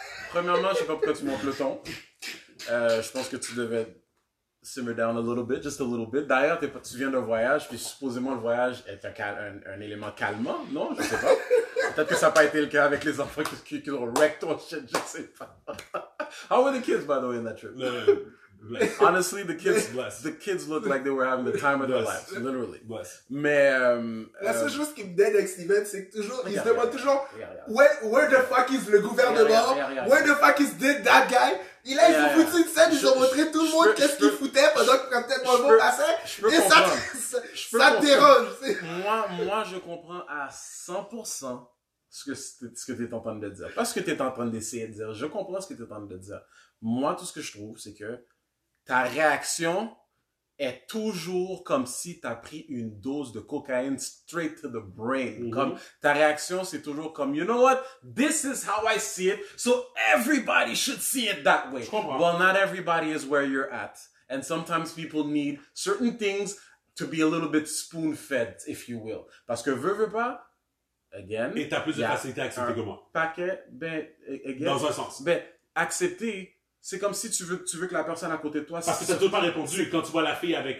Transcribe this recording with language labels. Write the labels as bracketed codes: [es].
[fr] Premièrement, je sais pas pourquoi tu montes le ton. Je pense que tu devais [en] simmer down a little bit, just a little bit. [fr] D'ailleurs, tu viens d'un voyage, puis supposément le voyage est un élément calmant, non? Je sais pas. Peut-être que ça n'a pas été le cas avec les enfants qui ont wrecked ton shit, je sais pas. [en] How were the kids, by the way, in that trip? Blessed. Honestly, the kids, blessed. The kids looked like they were having the time of their lives, literally. Blessed. [fr] Mais la seule chose qui me dead avec Steven, c'est que toujours, il se demande toujours, [en] where the fuck is [fr] le gouvernement? [en] Where the fuck is that guy? [fr] Il a foutu une scène, ils ont montré tout le monde qu'est-ce qu'il foutait pendant que Captain Marvel passait. Et ça te dérange. Moi, je comprends à 100% ce que t'es en train de dire. Pas ce que t'es en train d'essayer de dire. Je comprends ce que t'es en train de dire. Moi, tout ce que je trouve, c'est que ta réaction est toujours comme si t'as pris une dose de cocaïne [en] straight to the brain. [fr] Mm-hmm. Comme ta réaction, c'est toujours comme, [en] you know what? This is how I see it. So everybody should see it that way. [fr] Je comprends. [en] Well, not everybody is where you're at. And sometimes people need certain things to be a little bit spoon-fed, if you will. [fr] Parce que veux pas, again... Et t'as plus de facilité à accepter que moi. Paquet, ben, again... Dans un sens. Ben, accepter... C'est comme si tu veux que la personne à côté de toi... Parce que t'as toujours pas répondu quand tu vois la fille avec...